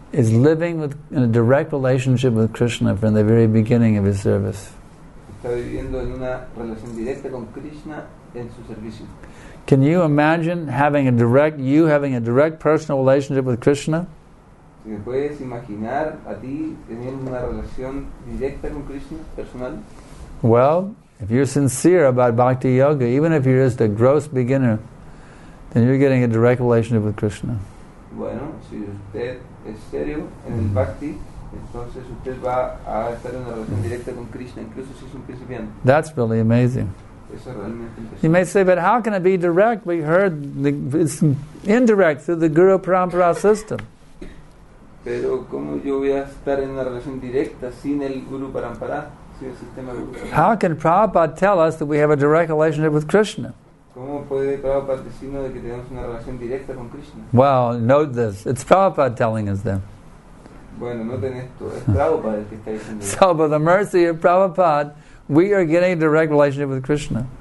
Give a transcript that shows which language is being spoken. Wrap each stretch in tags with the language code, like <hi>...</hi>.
<en>is living with, in a direct relationship with Krishna from the very beginning of his service.</en> <es>Está viviendo en una relación directa con Krishna en su servicio.</es> <en>Can you imagine having a direct, you having a direct personal relationship with Krishna?</en> <es>¿Te puedes imaginar a ti teniendo una relación directa con Krishna personal?</es> <en>Well, if you're sincere about bhakti yoga, even if you're just a gross beginner, then you're getting a direct relationship with Krishna.</en> <es>Bueno, si usted es serio en el bhakti, entonces usted va a estar en una relación directa con Krishna, incluso si es un principiante.</es> <en>That's really amazing.</en> <es>Eso realmente impresionante.</es> <en>You may say, but how can it be direct? We heard the, it's indirect through the Guru Parampara system.</en> <es>Pero cómo yo voy a estar en una relación directa sin el Guru Parampara?</es> <en>How can Prabhupada tell us that we have a direct relationship with Krishna? Well, note this. It's Prabhupada telling us then. So, by the mercy of Prabhupada, we are getting a direct relationship with Krishna.</en>